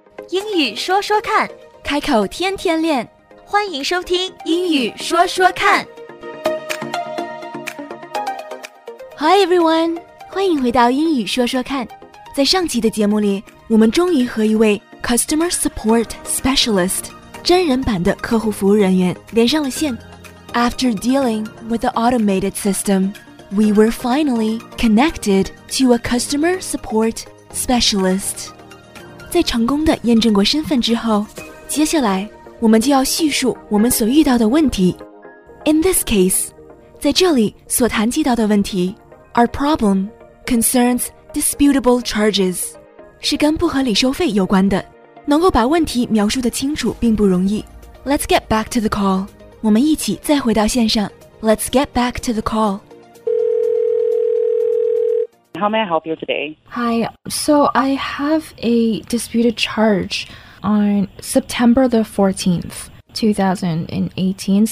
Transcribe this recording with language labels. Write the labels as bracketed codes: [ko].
[zh] 英语说说看，开口天天练，欢迎收听英语说说看。 [en] Hi everyone， [zh] 欢迎回到英语说说看。在上期的节目里，我们终于和一位 Customer Support Specialist 真人版的客户服务人员连上了线。 [en] After dealing with the automated system, we were finally connected to a customer support specialist. [zh] 在成功地验证过身份之后，接下来我们就要叙述我们所遇到的问题。 [en] In this case, [zh] 在这里所谈及到的问题， [en] our problem concerns disputable charges, [zh] 是跟不合理收费有关的。能够把问题描述得清楚并不容易。 [en] Let's get back to the call. [zh] 我们一起再回到线上。 [en] Let's get back to the call. How may I help you today? Hi, so I have a disputed charge on September the 14th, 2018.